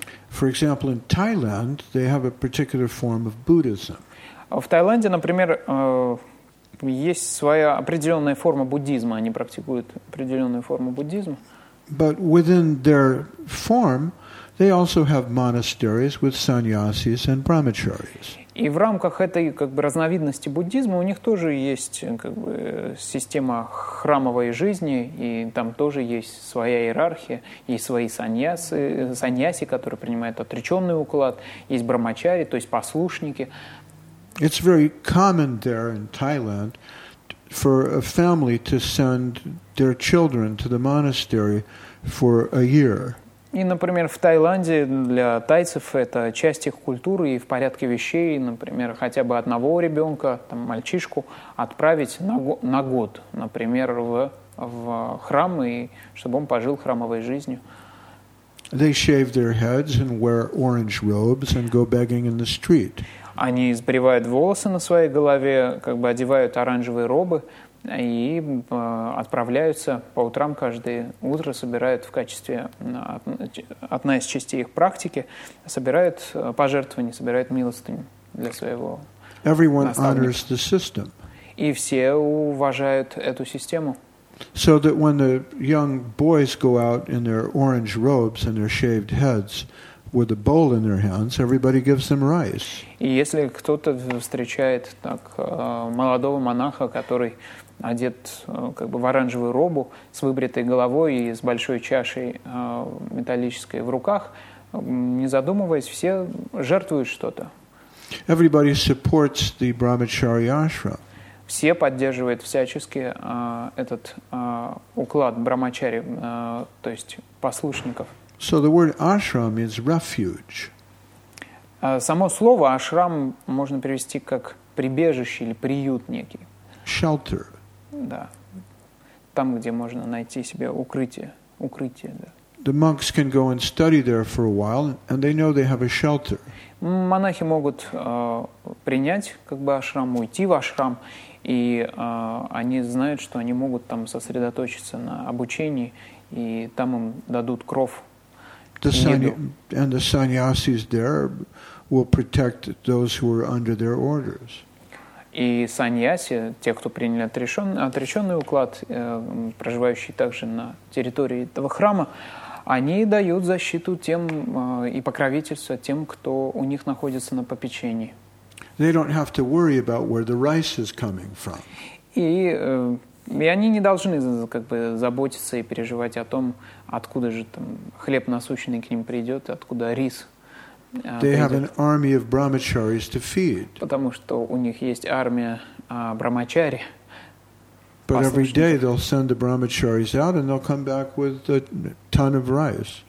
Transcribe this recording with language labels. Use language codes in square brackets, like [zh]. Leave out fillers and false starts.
[en] For example, in Thailand, they have a particular form of Buddhism. [ru] В Таиланде, например, есть своя определенная форма буддизма. Они практикуют определенную форму буддизма. [en] But within their form, they also have monasteries with sannyasis and brahmacharis. [ru] И в рамках этой как бы разновидности буддизма у них тоже есть как бы система храмовой жизни, и там тоже есть своя иерархия, и свои саньяси, которые принимают отреченный уклад, есть брахмачари, то есть послушники. [en] It's very common there in Thailand for a family to send their children to the monastery for a year. [ru] И, например, в Таиланде для тайцев это часть их культуры и в порядке вещей, например, хотя бы одного ребенка, там, мальчишку, отправить на год, например, в храм, и чтобы он пожил храмовой жизнью. [en] They shave their heads and wear orange robes and go begging in the street. [ru] Они сбривают волосы на своей голове, как бы одевают оранжевые робы, и отправляются по утрам каждое утро, собирают в качестве одна из частей их практики, собирают пожертвования, собирают милостыню для своего [en] Everyone honors the system. [ru] И все уважают эту систему. [en] So that when the young boys go out in their orange robes and their shaved heads, with a bowl in their hands, everybody gives them rice. [ru] И если кто-то встречает так молодого монаха, который одет как бы в оранжевую робу с выбритой головой и с большой чашей металлической в руках, не задумываясь, все жертвуют что-то. [en] Everybody supports the Brahmacharya ashram. [ru] Все поддерживают всячески этот уклад брахмачари, то есть послушников. [en] So the word ashram means refuge. [ru] Само слово ашрам можно перевести как прибежище или приют некий. [en] Shelter. [ru] Да. Там, где можно найти себе укрытие. Укрытие, да. [en] The monks can go and study there for a while, and they know they have a shelter. [ru] Монахи могут принять как бы ашрам, уйти в ашрам, и они знают, что они могут там сосредоточиться на обучении, и там им дадут кров. [en] And the sannyasis there will protect those who are under their orders. [ru] И саньяси, те, кто принял отреченный уклад, проживающие также на территории этого храма, они дают защиту тем и покровительство тем, кто у них находится на попечении. [en] They don't have to worry about where the rice is coming from. [ru] И они не должны как бы заботиться и переживать о том, откуда же там хлеб насущный к ним придет, откуда рис. [en] They have an army of brahmacharis to feed. [ru] Потому что у них есть армия брахмачари. [en] But every day they'll send the brahmacharis out and they'll come back with a ton of rice.